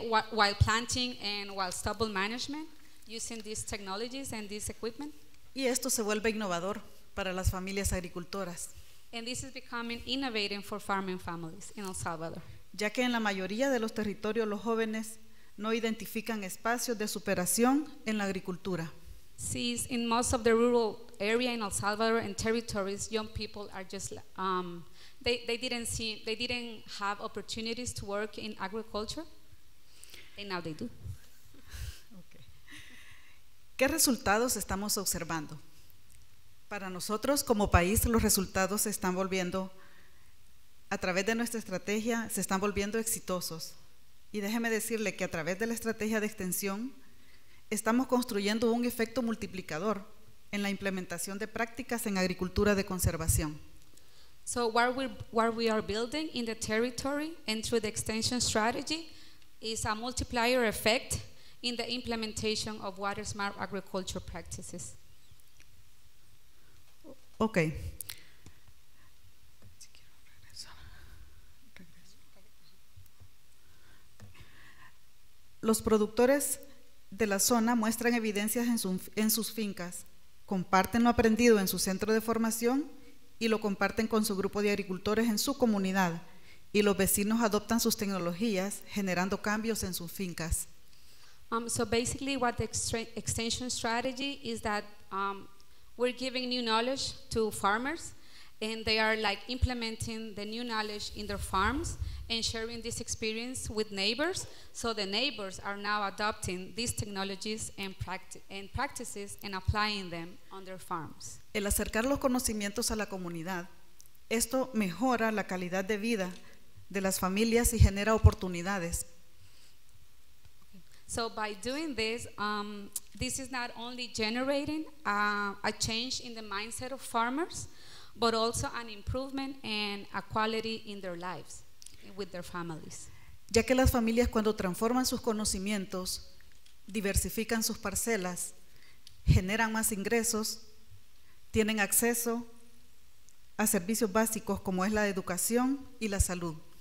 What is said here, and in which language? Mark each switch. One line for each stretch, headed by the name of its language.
English: While planting and while stubble management, using these technologies and this equipment.
Spanish: Y esto se vuelve innovador para las familias agricultoras.
English: And this is becoming innovative for farming families in El Salvador.
Spanish: Ya que en la mayoría de los territorios los jóvenes no identifican espacios de superación en la agricultura.
English: Since in most of the rural area in El Salvador and territories, young people are just they didn't have opportunities to work in agriculture, and now they do.
Spanish: Okay. ¿Qué resultados estamos observando? Para nosotros como país, los resultados se están volviendo, a través de nuestra estrategia, se están volviendo exitosos. Y déjeme decirle que a través de la estrategia de extensión, estamos construyendo un efecto multiplicador en la implementación de prácticas en agricultura de conservación.
English: So what we are building in the territory and through the extension strategy is a multiplier effect in the implementation of water smart agriculture practices. Okay.
Spanish: Los productores de la zona muestran evidencias en sus fincas, comparten lo aprendido en su centro de formación y lo comparten con su grupo de agricultores en su comunidad, y los vecinos adoptan sus tecnologías generando cambios en sus fincas.
English: So basically what the extension strategy is that we're giving new knowledge to farmers and they are like implementing the new knowledge in their farms and sharing this experience with neighbors, so the neighbors are now adopting these technologies and practices and applying them on their farms.
Spanish: El acercar los conocimientos a la comunidad, esto mejora la calidad de vida de las familias y genera oportunidades.
English: So by doing this, this is not only generating a change in the mindset of farmers, but also an improvement and a quality in their lives with their families.
Spanish: Ya que las familias cuando transforman sus conocimientos, diversifican sus parcelas, generan más ingresos, tienen acceso a servicios básicos como es la educación y la salud.